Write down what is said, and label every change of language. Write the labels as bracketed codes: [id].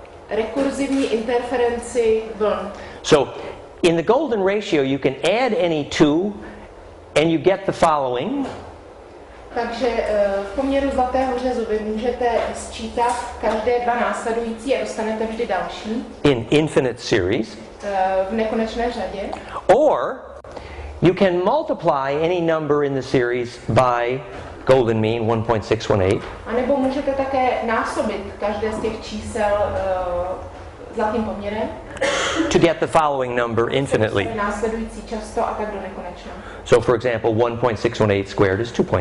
[cs] Rekurzivní interferenci vln. [en] So, in the golden ratio, you can add any two, and you get the following. [cs] Takže v poměru zlatého řezu vy můžete sčítat každé dva následující a dostanete vždy další. [en] In infinite series. [cs] V nekonečné řadě. [en] Or you can multiply any number in the series by golden mean 1.618. [cs] A nebo můžete také násobit každé z těch čísel zlatým poměrem. [en] To get the following number infinitely. [cs] Následující často a tak do nekonečna. [en] So for example, 1.618 squared is